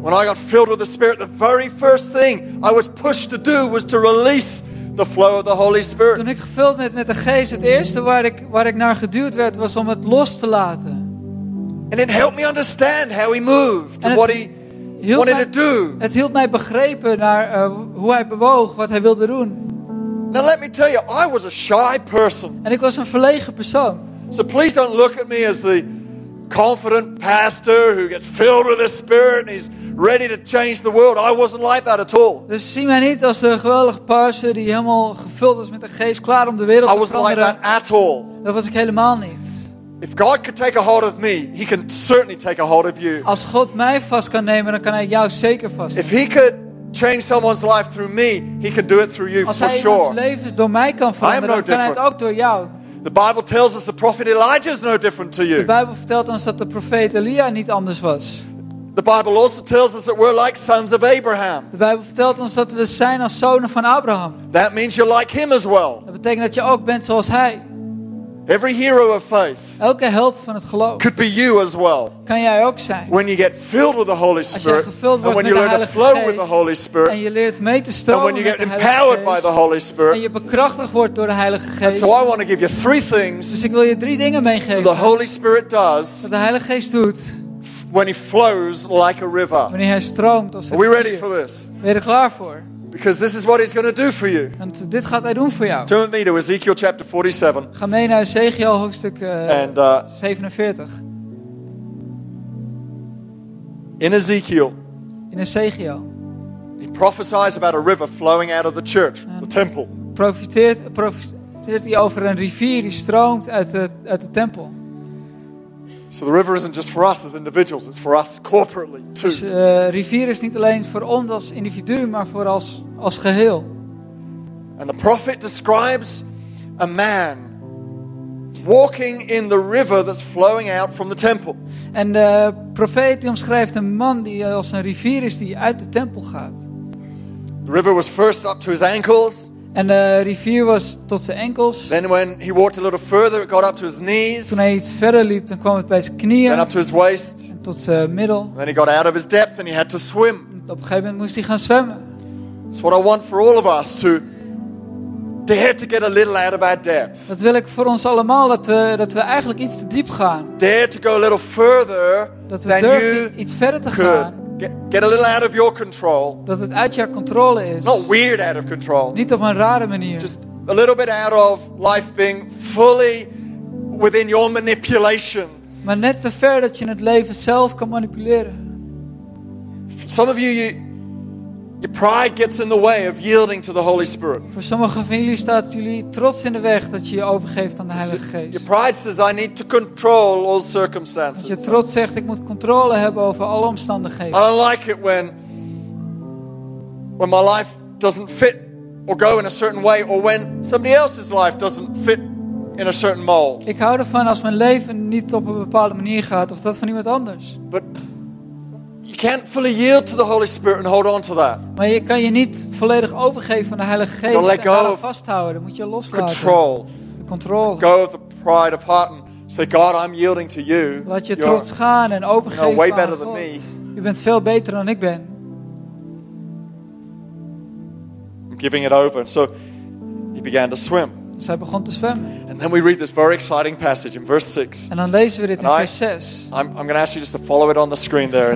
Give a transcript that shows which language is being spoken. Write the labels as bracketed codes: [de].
[en] When I got filled with the Spirit, the very first thing I was pushed to do was to release the flow of the Holy Spirit. [nl] Toen ik gevuld werd met de Geest, het eerste waar ik naar geduwd werd, was om het los te laten. [en] And it helped me understand how he moved and what he wanted to do. [nl] Het hielp mij begrepen naar hoe hij bewoog, wat hij wilde doen. [en] Now let me tell you, I was a shy person. [nl] En ik was een verlegen persoon. [en] So please don't look at me as the confident pastor who gets filled with the Spirit and he's ready to change the world. I wasn't like that at all. [nl] Dus zie mij niet als de geweldige pastor die helemaal gevuld was met de Geest, klaar om de wereld te veranderen. [en] I wasn't like that at all. [nl] Dat was ik helemaal niet. [en] If God could take a hold of me, he can certainly take a hold of you. [nl] Als God mij vast kan nemen, dan kan hij jou zeker vast nemen. [en] If he could change someone's life through me, he can do it through you for sure. [nl] Als hij iemands leven door mij kan veranderen, dan kan hij het ook door jou. [en] The Bible tells us the prophet Elijah is no different to you. [nl] De Bijbel vertelt ons dat de profeet Elia niet anders was. [en] The Bible also tells us that we're like sons of Abraham. [nl] De Bijbel vertelt ons dat we zijn als zonen van Abraham. [en] That means you're like him as well. [nl] Dat betekent dat je ook bent zoals hij. [en] Every hero of faith. [nl] Elke held van het geloof. [en] Could be you as well. [nl] Kan jij ook zijn. [en] When you get filled with the Holy Spirit. [nl] Als je gevuld wordt [en] and when [nl] met [en] you learn [nl] de Heilige [en] to flow [nl] Geest, [en] with the Holy Spirit. [nl] En je leert mee te stromen. [en] And when you [nl] met [en] get empowered [nl] Geest, [en] by the Holy Spirit. [nl] En je bekrachtigd wordt door de Heilige Geest. [en] And so I want to give you three things. [nl] Dus ik wil je drie dingen meegeven. [en] That the Holy Spirit does. [nl] Wat de Heilige Geest doet. [en] When he flows like a river. [nl] Wanneer hij stroomt als een rivier. [en] Are we ready for this? [nl] Ben je er klaar voor? [en] Because this is what he's going to do for you. [nl] Want dit gaat hij doen voor jou. [en] Turn with me to Ezekiel chapter 47. [nl] Ga mee naar Ezekiel hoofdstuk 47. [en] In Ezekiel. He prophesies about a river flowing out of the church, the temple. [nl] Profiteert hij over een rivier die stroomt uit de tempel. [en] So the river isn't just for us as individuals, it's for us corporately too. [nl] Dus rivier is niet alleen voor ons als individu, maar voor als geheel. [en] And the prophet describes a man walking in the river that's flowing out from the temple. [nl] En de profeet omschrijft een man die als een rivier is die uit de tempel gaat. [en] The river was first up to his ankles. [nl] En de rivier was tot zijn enkels. [en] Then when he walked a little further, it got up to his knees. [nl] Toen hij iets verder liep, dan kwam het bij zijn knieën. [en] And up to his waist. [nl] En tot zijn middel. [en] Then he got out of his depth and he had to swim. [nl] Op een gegeven moment moest hij gaan zwemmen. [en] It's what I want for all of us to dare to get a little out of our depth. [nl] Dat wil ik voor ons allemaal, dat we eigenlijk iets te diep gaan. [en] Dare to go a little further [nl] dat we durven iets verder te [en] could. [nl] Gaan. [en] Get a little out of your control. [nl] Dat het uit jouw controle is. [en] Not weird out of control. [nl] Niet op een rare manier. [en] Just a little bit out of life being fully within your manipulation. [nl] Maar net te ver dat je het leven zelf kan manipuleren. [en] Some of your pride gets in the way of yielding to the Holy Spirit. [nl] Voor sommige van jullie staat jullie trots in de weg dat je je overgeeft aan de Heilige Geest. [en] Your pride says I need to control all circumstances. [nl] Je trots zegt ik moet controle hebben over alle omstandigheden. [en] I don't like it when my life doesn't fit or go in a certain way or when somebody else's life doesn't fit in a certain mold. [nl] Ik hou ervan als mijn leven niet op een bepaalde manier gaat of dat van iemand anders. [en] But can't fully yield to the Holy Spirit and hold on to that. [nl] Maar je kan je niet volledig overgeven aan de Heilige Geest. [en] Let go of [nl] vasthouden, moet je loslaten. [en] Control. [nl] De controle. [en] Go of the pride of heart and say, God, I'm yielding to you. [nl] Laat je trots gaan en overgeven aan God. [en] Way better than me. [nl] Je bent veel beter dan ik ben. [en] I'm giving it over. So he began to swim. [nl] Dus hij begon te zwemmen. [en] And then we read this very exciting passage in verse 6. [nl] En dan lezen we dit in vers 6. [en] I'm going to ask you just to follow it on the screen there in